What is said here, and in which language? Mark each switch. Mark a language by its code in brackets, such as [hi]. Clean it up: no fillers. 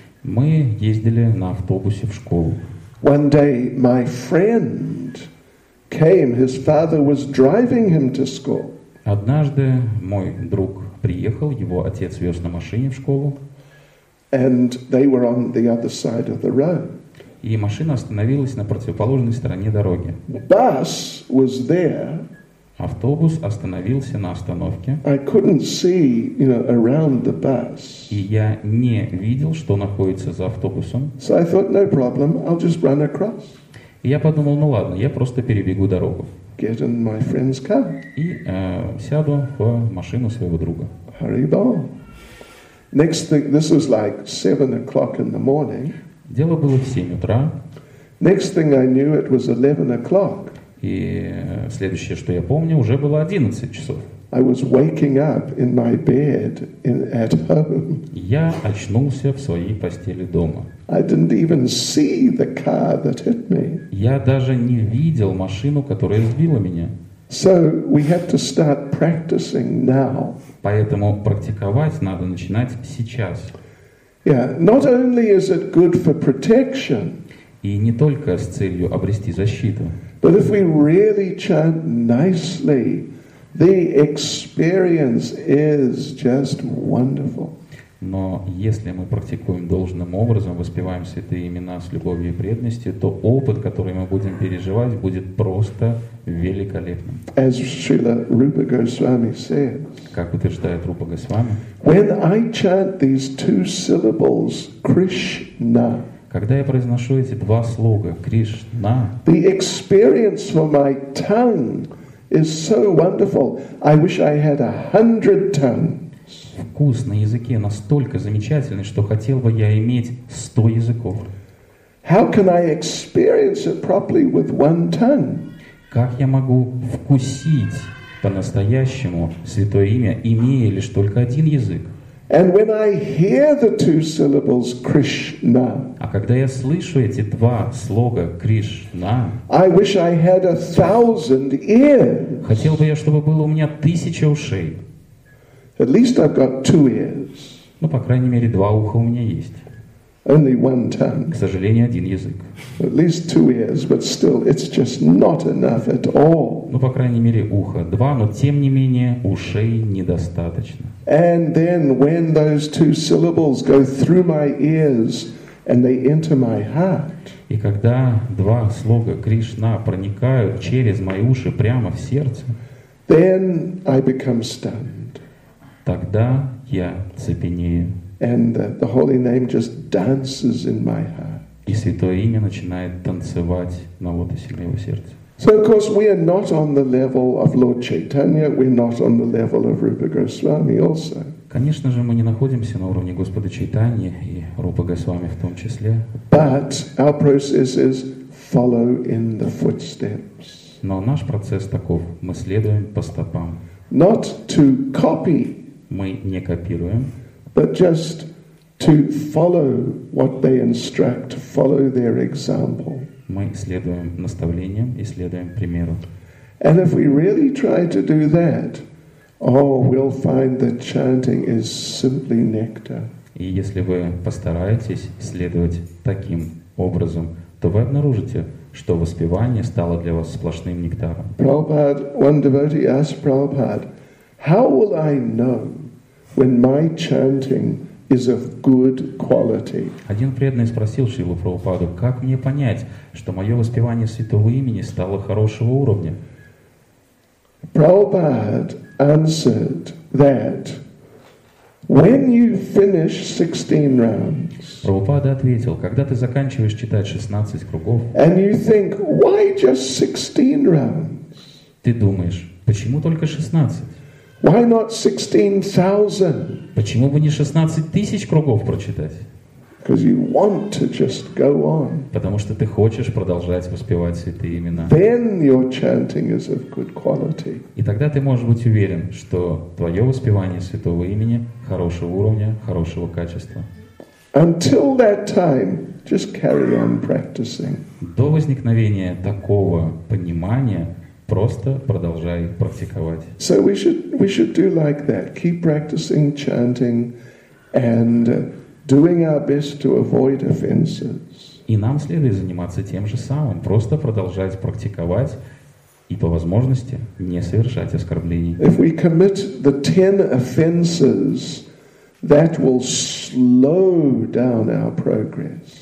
[ru] Мы ездили на автобусе в школу. [en] One day my friend came, his father was driving him to school. [ru] Однажды мой друг приехал, его отец вез на машине в школу. [en] And they were on the other side of the road. [ru] И машина остановилась на противоположной стороне дороги. [en] Bus was there. [ru] Автобус остановился на остановке. [en] I couldn't see, you know, around the bus. [ru] И я не видел, что находится за автобусом. [en] So I thought, no problem, I'll just run across. [ru] И я подумал, ну ладно, я просто перебегу дорогу. [en] Get in my friend's car. [ru] И сяду в машину своего друга. [en] Hurry on. Next thing, this is like 7 o'clock in the morning. [ru] Дело было в 7 утра. [en] Next thing I knew, it was 11 o'clock. [ru] И следующее, что я помню, уже было 11 часов. [en] I was waking up in my bed at home. [ru] Я очнулся в своей постели дома. [en] I didn't even see the car that hit me. [ru] Я даже не видел машину, которая сбила меня. [en] So we have to start practicing now. [ru] Поэтому практиковать надо начинать сейчас. [en] Yeah, not only is it good for protection. [ru] И не только с целью обрести защиту. [en] But if we really chant nicely, the experience is just wonderful. [ru] Но если мы практикуем должным образом, воспеваем святые имена с любовью и преданностью, то опыт, который мы будем переживать, будет просто великолепным. [en] As Srila Rupa Goswami says, [ru] как утверждает Рупа Госвами, [en] when I chant these two syllables, Krishna, [ru] когда я произношу эти два слога Кришна, [en] the experience for my tongue is so wonderful. I wish I had 100 tongues. [ru] Вкус на языке настолько замечательный, что хотел бы я иметь 100 языков. [en] How can I experience it properly with one tongue? [ru] Как я могу вкусить по-настоящему святое имя, имея лишь только один язык? [en] And when I hear the two syllables Krishna, [ru] а когда я слышу эти два слога Кришна, [en] I wish I had 1,000 ears. [ru] Хотел бы я, чтобы было у меня 1,000 ушей. [en] At least I've got 2 ears. [ru] Ну, по крайней мере, 2 уха у меня есть. [en] Only one tongue. [ru] К сожалению, 1 язык. [en] At least 2 ears, but still, it's just not enough at all. [ru] Ну, по крайней мере, 2 уха, но тем не менее, ушей недостаточно. [en] And then, when those two syllables go through my ears and they enter my heart. [ru] И когда 2 слога Кришна проникают через мои уши прямо в сердце, [en] then I become stunned. [ru] Тогда я цепенею. [en] And the holy name just dances in my heart. [ru] И святое имя начинает танцевать на лотосе моего сердца. [en] So of course we are not on the level of Lord Chaitanya, we're not on the level of Rupa Goswami also. [ru] Конечно же, мы не находимся на уровне Господа Чайтаньи и Рупа Госвами в том числе. [en] But our process is follow in the footsteps. [ru] Но наш процесс таков: мы следуем по стопам. [en] Not to copy. [ru] Мы не копируем, [en] but just to follow what they instruct, to follow their example. [ru] Мы следуем наставлениям и следуем примеру. [en] And if we really try to do that, oh, we'll find that chanting is simply nectar. [ru] И если вы постараетесь следовать таким образом, то вы обнаружите, что воспевание стало для вас сплошным нектаром. [en] One devotee asked Prabhupada, how will I know when my chanting is of good quality? [ru] Один преданный спросил Шрилу Прабхупаду, как мне понять, что мое воспевание святого имени стало хорошего уровня? [en] Prabhupada answered that when you finish 16 rounds, [ru] Прабхупада ответил, когда ты заканчиваешь читать 16 кругов, [en] and you think, why just 16 rounds? [ru] Ты думаешь, почему только 16? [en] Why not 16,000? [ru] Почему бы не 16,000 кругов прочитать? [en] Because you want to just go on. [ru] Потому что ты хочешь продолжать воспевать святые имена. [en] Then your chanting is of good quality. [ru] И тогда ты можешь быть уверен, что твое воспевание святого имени хорошего уровня, хорошего качества. [en] Until that time, just carry on practicing. [ru] До возникновения такого понимания просто продолжай практиковать. [en] So we should do like that. Keep practicing chanting and doing our best to avoid offenses. [ru] И нам следует заниматься тем же самым, просто продолжать практиковать и по возможности не совершать оскорблений. [en] If we commit the 10 offenses, that will slow down our progress.